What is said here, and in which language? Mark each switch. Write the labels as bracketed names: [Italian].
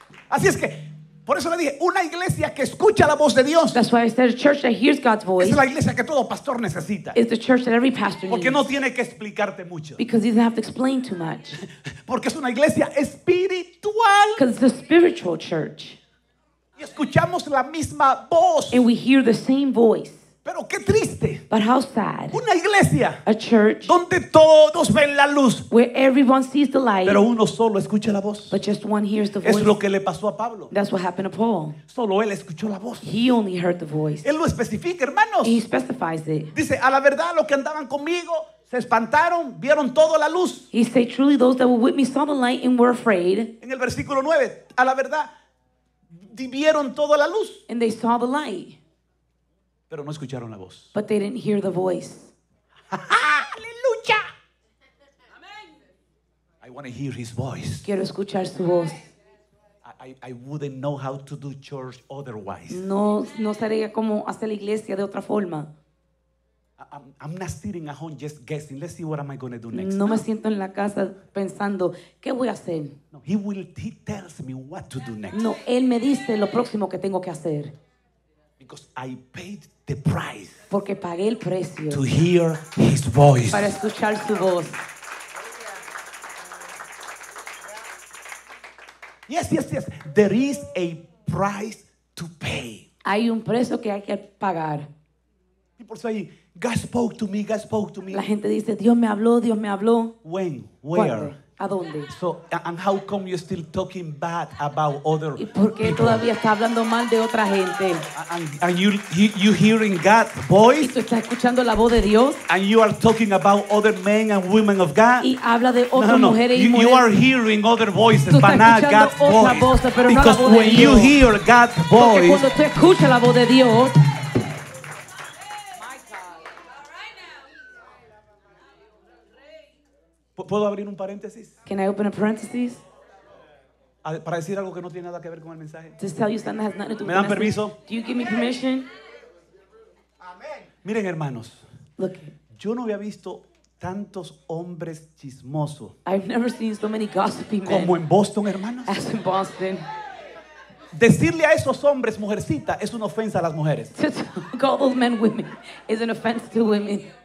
[Spanish] Así es que por eso le dije, una iglesia que escucha la voz de Dios. [English] That's why I said a church that hears God's voice. [Spanish] Es la iglesia que todo pastor necesita. [English] It's the church that every pastor needs. [Spanish] Porque no tiene que explicarte mucho. [English] Because he doesn't have to explain too much. [Spanish] Porque es una iglesia espiritual. [English] Because it's a spiritual church. [Spanish] Y escuchamos la misma voz. [English] And we hear the same voice. [Spanish] Pero qué triste. [English] But how sad. [Spanish] Una iglesia. [English] A church. [Spanish] Donde todos ven la luz. [English] Where everyone sees the light. [Spanish] Pero uno solo escucha la voz. [English] But just one hears the voice. [Spanish] Es lo que le pasó a Pablo. [English] That's what happened to Paul. [Spanish] Solo él escuchó la voz. [English] He only heard the voice. [Spanish] Él lo especifica, hermanos. [English] He specifies it. [Spanish] Dice, a la verdad, los que andaban conmigo se espantaron, vieron toda la luz. [English] He said, truly, those that were with me saw the light and were afraid. [Spanish] En el versículo 9, a la verdad, vieron toda la luz. [English] And they saw the light. [Spanish] Pero no escucharon la voz. [English] But they didn't hear the voice. ¡Aleluya! Amen. I want to hear his voice. [Spanish] Quiero escuchar su voz. [English] I wouldn't know how to do church otherwise. [Spanish] No sabría cómo hacer la iglesia de otra forma. [English] I'm not sitting at home just guessing. Let's see what am I going to do next. [Spanish] No me siento en la casa pensando, ¿qué voy a hacer? [English] No, he tells me what to do next. [Spanish] No, él me dice lo próximo que tengo que hacer. [English] Because I paid the price. [Spanish] Porque pagué el precio. [English] To hear his voice. [Spanish] Para escuchar su voz. [English] Yes, yes, yes. There is a price to pay. [Spanish] Hay un precio que hay que pagar. [English] People say, God spoke to me, God spoke to me. [Spanish] La gente dice, Dios me habló, Dios me habló. [English] When? Where? [Spanish] ¿A dónde? [English] So, and how come you're still talking bad about other people? [Spanish] ¿Y por qué todavía está hablando mal de otra gente? [English] And you hearing God's voice? [Spanish] ¿Y tú estás escuchando la voz de Dios? [English] And you are talking about other men and women of God? [Spanish] ¿Y habla de otras mujeres y mujeres? [English] You are hearing other voices, but not God's voice. [Spanish] Voz, pero [English] because [Spanish] no la voz [English] when [Spanish] de [English] you [Spanish] Dios. [English] Hear God's voice, [Spanish] porque cuando tú escuchas la voz de Dios, ¿puedo abrir un paréntesis? [English] Can I open a parenthesis? [Spanish] Para decir algo que no tiene nada que ver con el mensaje. [English] To tell you something that has nothing to do [Spanish] ¿me dan permiso? [English] Do you give me permission? [Spanish] Amen. Miren, hermanos. [English] Look. [Spanish] Yo no había visto tantos hombres chismosos. [English] I've never seen so many gossipy men. [Spanish] Como en Boston, hermanos. [English] As in Boston. [Spanish] Decirle a esos hombres, mujercita, es una ofensa a las mujeres. [English] To call those men women is an offense to women.